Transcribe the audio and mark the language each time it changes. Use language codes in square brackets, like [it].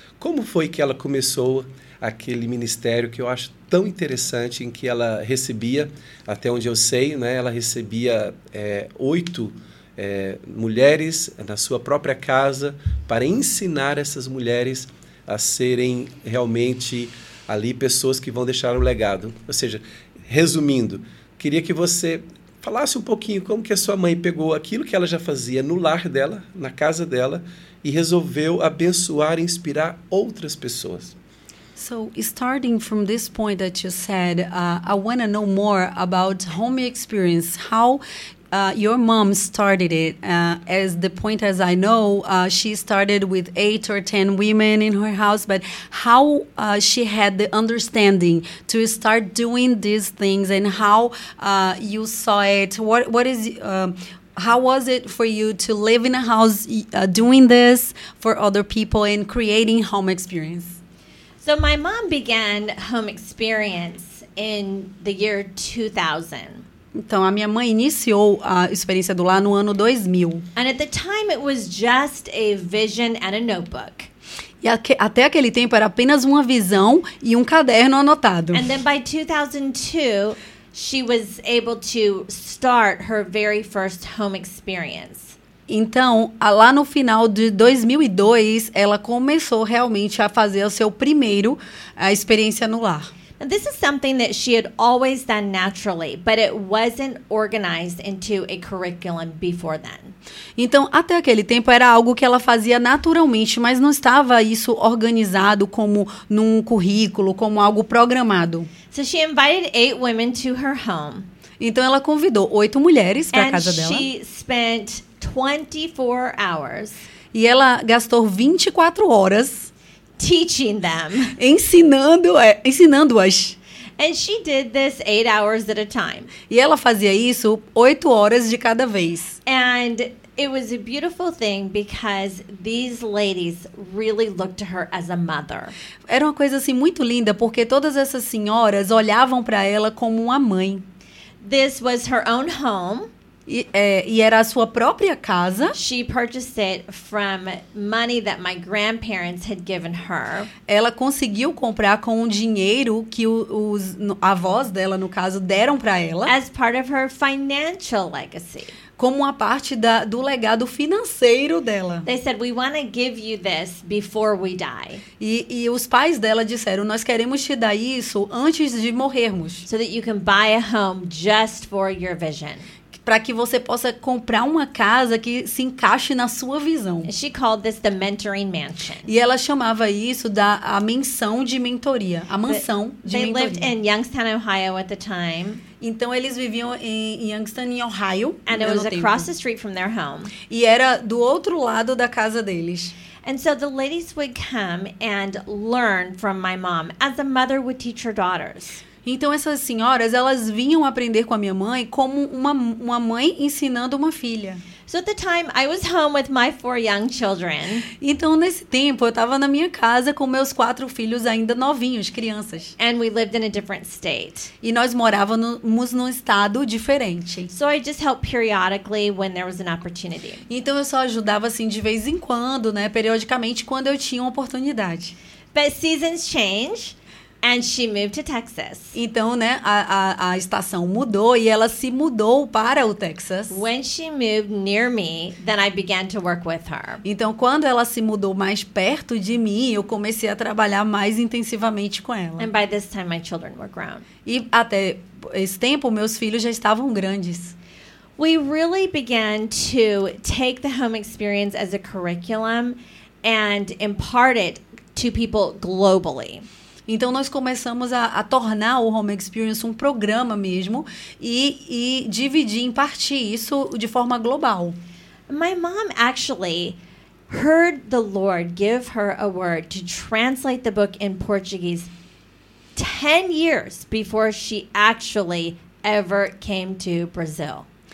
[pt] Como foi que ela começou aquele ministério que eu acho tão interessante, em que ela recebia, até onde eu sei, né, ela recebia oito mulheres na sua própria casa para ensinar essas mulheres a serem realmente ali pessoas que vão deixar um legado. Ou seja, resumindo, queria que você falasse um pouquinho como que a sua mãe pegou aquilo que ela já fazia no lar dela, na casa dela, e resolveu abençoar e inspirar outras pessoas. [en] So, starting from this point that you said, I want to know more about home experience, how your mom started it. As the point as I know, she started with 8 or 10 women in her house, but how she had the understanding to start doing these things, and how you saw it. How was it for you to live in a house doing this for other people and creating home experience? So my mom began home experience in the year 2000. [pt] Então, a minha mãe iniciou a experiência do lar no ano 2000. [en] And at the time, it was just a vision and a notebook. [pt] E até aquele tempo, era apenas uma visão e um caderno anotado. [en] And then by 2002, she was able to start her very first home experience. [pt] Então, lá no final de 2002, ela começou realmente a fazer o seu primeiro experiência no lar. [en] And this is something that she had always done naturally, but it wasn't organized into a curriculum before then. [pt] Então, até aquele tempo era algo que ela fazia naturalmente, mas não estava isso organizado como num currículo, como algo programado. [en] So she invited 8 women to her home. [pt] Então ela convidou 8 mulheres para a casa dela. [en] And she spent 24 hours. [pt] E ela gastou 24 horas [en] teaching them. [pt] Ensinando-as. [en] And she did this 8 hours at a time. [pt] E ela fazia isso 8 horas de cada vez. [en] And it was a beautiful thing because these ladies really looked to her as a mother. [pt] Era uma coisa assim muito linda porque todas essas senhoras olhavam para ela como uma mãe. [en] This was her own home. [pt] E era a sua própria casa. [en] She purchased it from money that my grandparents had given her. [pt] Ela conseguiu comprar com o dinheiro que os avós dela, no caso, deram para ela. [en] As part of her financial legacy. [pt] Como uma parte do legado financeiro dela. [en] They said, we want to give you this before we die. [pt] E os pais dela disseram, nós queremos te dar isso antes de morrermos. [en] So that you can buy a home just for your vision. [pt] Para que você possa comprar uma casa que se encaixe na sua visão. [en] She called this the mentoring mansion. [pt] E ela chamava isso da mansão de mentoria. A mansão de [en] they [pt] mentoria. [en] They lived in Youngstown, Ohio at the time. [pt] Então eles viviam em Youngstown, em Ohio. [en] And it was across the street from their home. [pt] E era do outro lado da casa deles. [en] And so the ladies would come and learn from my mom, as a mother would teach her daughters. [pt] Então, essas senhoras, elas vinham aprender com a minha mãe como uma mãe ensinando uma filha. [en] So at the time, I was home with my 4 young children. [pt] Então, nesse tempo, eu estava na minha casa com meus 4 filhos ainda novinhos, crianças. [en] And we lived in a different state. [pt] E nós morávamos num estado diferente. [en] So I just helped periodically when there was an opportunity. [pt] Então, eu só ajudava assim de vez em quando, né, periodicamente, quando eu tinha uma oportunidade. [en] But seasons change. And she moved to Texas. [pt] Então, né, a estação mudou e ela se mudou para o Texas. [en] When she moved near me, then I began to work with her. [pt] Então, quando ela se mudou mais perto de mim, eu comecei a trabalhar mais intensivamente com ela. [en] And by this time, my children were grown. [pt] E até esse tempo, meus filhos já estavam grandes. [en] We really began to take the home experience as a curriculum and impart it to people globally. [pt] Então, nós começamos a tornar o Home Experience um programa mesmo e dividir, impartir isso de forma global. [en] My mom actually heard the Lord give her a word to translate the book in Portuguese 10 years before she actually ever came to Brazil.